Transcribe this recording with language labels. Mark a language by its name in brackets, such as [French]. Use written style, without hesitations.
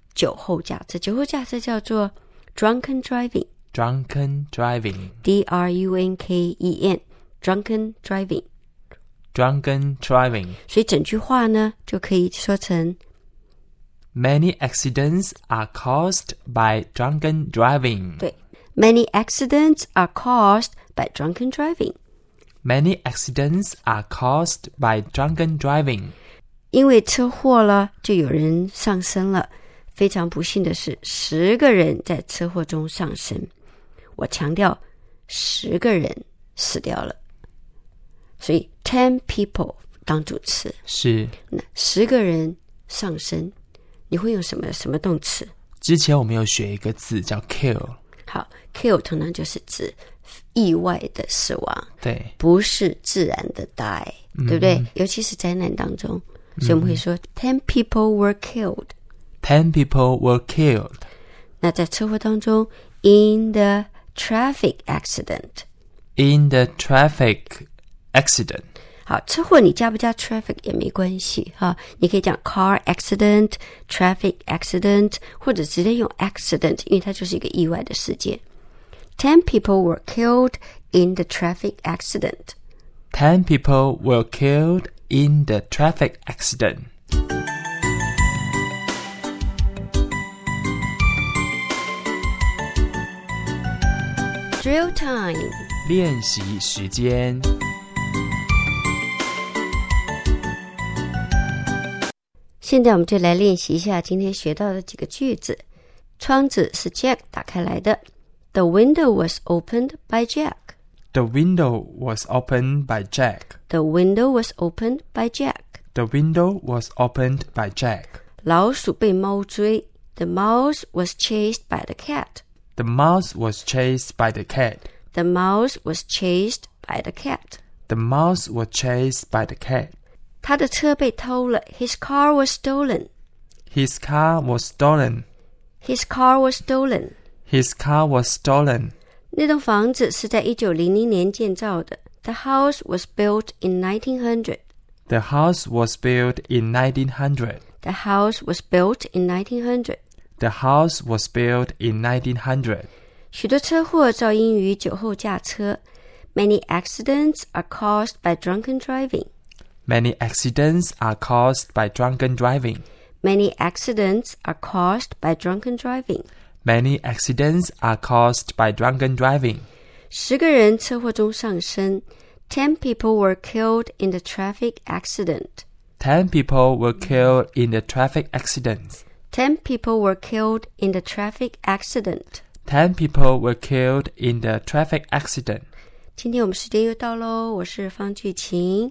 [Chinese] 酒后驾车，酒后驾车叫做 [English] drunken driving， drunken driving， d r u n k e n， drunken driving， drunken driving， [Chinese] 所以整句话呢就可以说成。 [English] Many accidents are caused by drunken driving. [Chinese] 对 [English] ，Many accidents are caused by drunken driving. Many accidents are caused by drunken driving. [Chinese] 因为车祸了，就有人丧生了。非常不幸的是，十个人在车祸中丧生。我强调，十个人死掉了。所以 ， [English] ten people [Chinese] 当主词是那十个人丧生。你会用什么动词？之前我们有学一个字叫 kill。好 ，kill 通常就是指意外的死亡，对，不是自然的 die，、对不对？尤其是灾难当中，所以我们会说 [English] ten people were killed。 Ten people were killed。 [Chinese] 那在车祸当中 ， [English] in the traffic accident。 In the traffic accident。 [Chinese] 好，车祸你加不加 traffic 也没关系哈，你可以讲 [English] car accident, traffic accident, [Chinese] 或者直接用 accident, 因为它就是一个意外的事件。 [English] Ten people were killed in the traffic accident. Ten people were killed in the traffic accident. Drill time. [Chinese] 练习时间。现在我们就来练习一下今天学到的几个句子。窗子是 Jack 打开来的。 [English] The window was opened by Jack. The window was opened by Jack. The window was opened by Jack. The window was opened by Jack. [Chinese] 老鼠被猫追。 [English] The mouse was chased by the cat. The mouse was chased by the cat. The mouse was chased by the cat. The mouse was chased by the cat. [Chinese] 他的车被偷了。 [English] His car was stolen. His car was stolen. His car was stolen. His car was stolen. [Chinese] 那栋房子是在1900年建造的。 [English] The house was built in 1900. The house was built in 1900. The house was built in 1900. The house was built in 1900. [Chinese] 许多车祸噪音于酒后驾车。 [English] Many accidents are caused by drunken driving. Many accidents are caused by drunken driving. Many accidents are caused by drunken driving. Many accidents are caused by drunken driving. [Chinese] 十个人车祸中丧生。 [English] Ten people were killed in the traffic accident. Ten people were killed in the traffic accident. Ten people were killed in the traffic accident. Ten people were killed in the traffic accident. [Chinese] 今天我们时间又到咯，我是方巨琴，